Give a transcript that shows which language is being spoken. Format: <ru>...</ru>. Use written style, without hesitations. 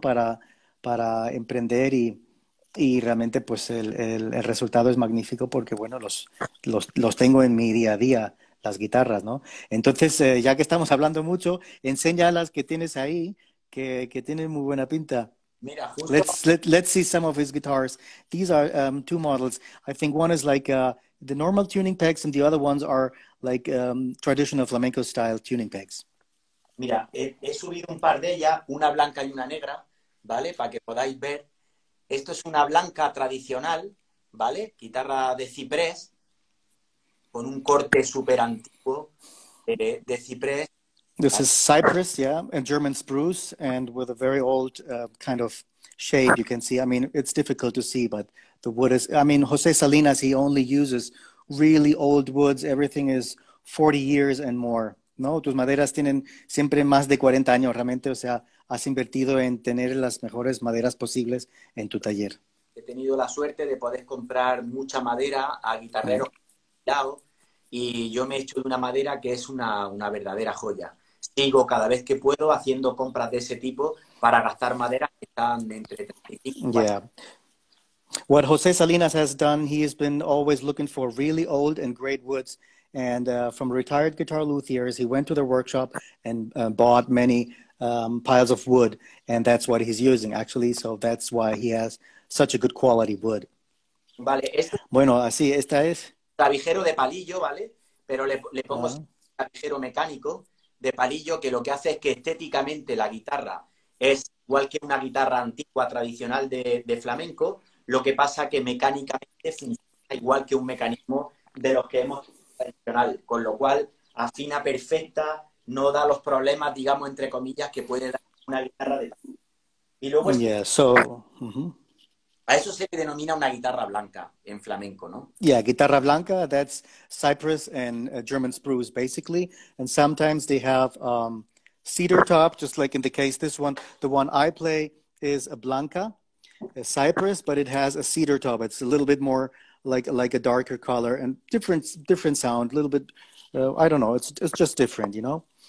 <es>Para emprender y realmente pues el resultado es magnífico porque bueno, los tengo en mi día a día. Las guitarras, ¿no? Entonces, ya que estamos hablando mucho, enseña las que tienes ahí, que tienen muy buena pinta. Mira, justo.</es> <en>Let's see some of his guitars. These are two models. I think one is like the normal tuning pegs and the other ones are like traditional flamenco style tuning pegs.</en> <es>Mira, he subido un par de ellas, una blanca y una negra, ¿vale? Para que podáis ver. Esto es una blanca tradicional, ¿vale? Guitarra de ciprés, con un corte súper antiguo de ciprés.</es> <en>This is cypress, yeah, and German spruce, and with a very old kind of shade, you can see. I mean, it's difficult to see, but the wood is... I mean, José Salinas, he only uses really old woods. Everything is 40 years and more, ¿no?</en> <es>Tus maderas tienen siempre más de 40 años, realmente. O sea, has invertido en tener las mejores maderas posibles en tu taller. He tenido la suerte de poder comprar mucha madera a guitarreros. Okay. Lado, y yo me he hecho de una madera que es una verdadera joya. Sigo cada vez que puedo haciendo compras de ese tipo para gastar madera que están entre 35.</es> <en>Yeah. What José Salinas has done, he has been always looking for really old and great woods. And from retired guitar luthiers, he went to their workshop and bought many piles of wood. And that's what he's using, actually. So that's why he has such a good quality wood.</en> <es>Vale. Bueno, así, esta es... Clavijero de palillo, ¿vale? Pero le pongo clavijero mecánico de palillo, que lo que hace es que estéticamente la guitarra es igual que una guitarra antigua, tradicional de flamenco, lo que pasa que mecánicamente funciona igual que un mecanismo de los que hemos tradicional, con lo cual afina perfecta, no da los problemas, digamos, entre comillas, que puede dar una guitarra de... Y luego... Yeah, so... Uh-huh. A eso se le denomina una guitarra blanca en flamenco, ¿no?</es> <en>Yeah, guitarra blanca, that's cypress and German spruce, basically. And sometimes they have cedar top, just like in the case this one. The one I play is a blanca, a cypress, but it has a cedar top. It's a little bit more like a darker color and different sound, a little bit, I don't know, it's just different, you know?</en>